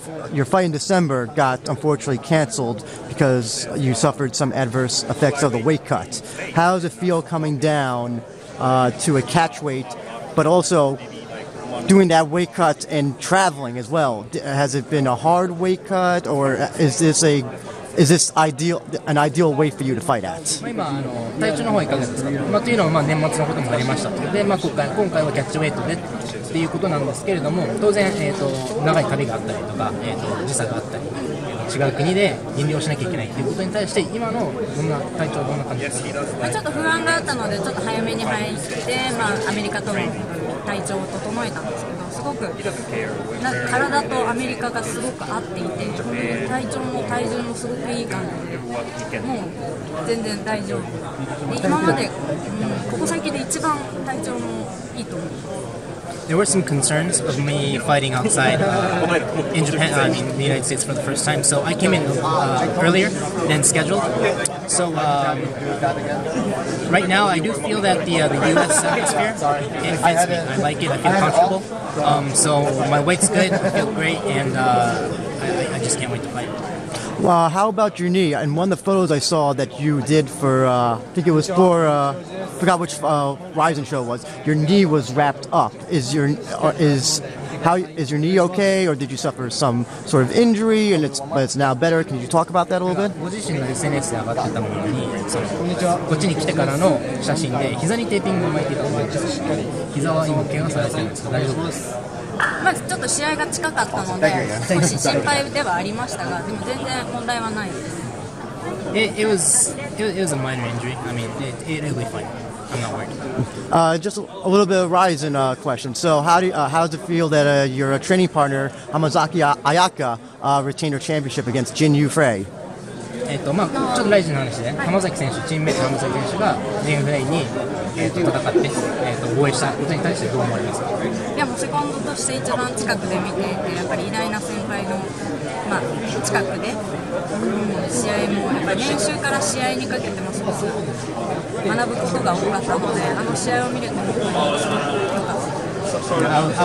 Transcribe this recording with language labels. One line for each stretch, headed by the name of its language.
English: Your fight in December got unfortunately canceled because you suffered some adverse effects of the weight cut. How does it feel coming down to a catch weight, but also doing that weight cut and traveling as well? Has it been a hard weight cut, or is this an ideal weight for you to fight at?
Japanese: 体調の方いかがですか？というのは年末のこともありましたので、今回はキャッチウェイトでっていうことなんですけれども、当然、長い旅があったりとか、時差があったり、違う国で減量しなきゃいけないっていうことに対して、今のどんな体調はどんな感じですか？ちょっと不安があったので、ちょっと早めに入って、アメリカとの体調を整えたんですけど、すごくな体とアメリカがすごく合っていて、体調も体重もすごくいい感じで、もう全然大丈夫。今まで、ここ最近で一番体調もいいと思う。
English: There were some concerns of me fighting outside in Japan, I mean the United States for the first time. So I came in earlier than scheduled. So right now I do feel that the U.S. atmosphere, it fits me. I like it. I feel comfortable. So my weight's good. I feel great. And I just can't wait to fight. Well, how about your knee? And one of the photos I saw that you did for, I think it was for, forgot which Ryzen show it was, your knee was wrapped up. Is your knee okay, or did you suffer some sort of injury and it's now better? Can you talk about that a little bit?
Japanese: ご自身の SNS で上がってたものに、こっちに来てからの写真で、膝にテーピングを巻いていたので、ちょっとしっかり、膝は今、怪我されてるんですか？大丈夫です。まあ、ちょっと試合が近かったので、少し心配ではありましたが、でも全然問題はないです。
English: It was a minor injury. I mean, it'll be fine. I'm not worried. Just a little bit of Ryzen question. So how does it feel that your training partner, Hamazaki Ayaka, retained her championship against Jin Yufrei?
Japanese: ちょっとライジンの話で、チームメイト浜崎選手がジンフレイに戦って、防衛したことに対してどう思いますか？いや、もうセコンドとして一番近くで見ていて、やっぱり偉大な先輩の、近くで、試合も、やっぱり練習から試合にかけてもすごく学ぶことが多かったので、あの試合を見ると、本当にすごく良かった。